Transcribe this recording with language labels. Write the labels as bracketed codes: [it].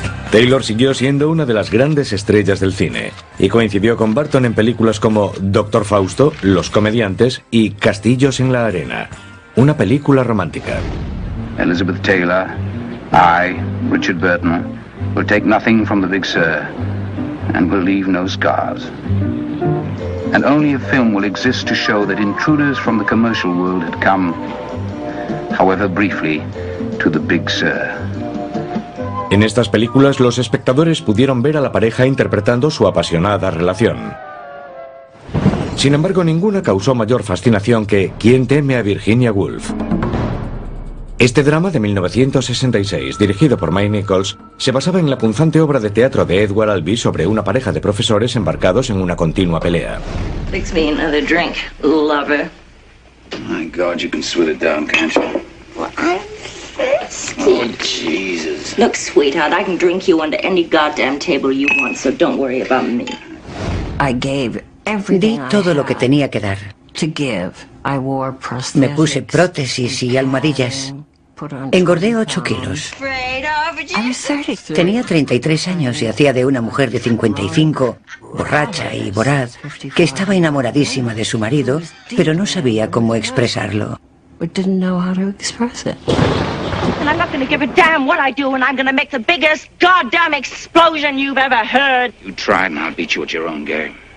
[es] Taylor siguió siendo una de las grandes estrellas del cine y coincidió con Burton en películas como Doctor Fausto, Los Comediantes y Castillos en la Arena, una película romántica. [en] Elizabeth Taylor, I, Richard Burton, will take nothing from the Big Sur and will leave no scars. And only a film will exist to show that intruders from the commercial world had come, however briefly, to the Big Sur. [es] En estas películas, los espectadores pudieron ver a la pareja interpretando su apasionada relación. Sin embargo, ninguna causó mayor fascinación que ¿Quién teme a Virginia Woolf? Este drama de 1966, dirigido por Mike Nichols, se basaba en la punzante obra de teatro de Edward Albee sobre una pareja de profesores embarcados en una continua pelea. [en] Fix me another drink, lover. My God, you can swill it down, can't you? Well, I'm thirsty. Oh, Jesus. Look, sweetheart, I can drink you under any goddamn table you want, so don't worry about me. I gave everything. [es] Di todo lo que tenía que dar. [en] To give. I wore prosthetics. [es] Me puse prótesis y almohadillas. Engordé 8 kilos. Tenía 33 años y hacía de una mujer de 55, borracha y voraz, que estaba enamoradísima de su marido, pero no sabía cómo expresarlo. [en] And I'm not going to give a damn what I do, and I'm going to make the biggest goddamn explosion you've ever heard. You try and I'll beat you at your own game.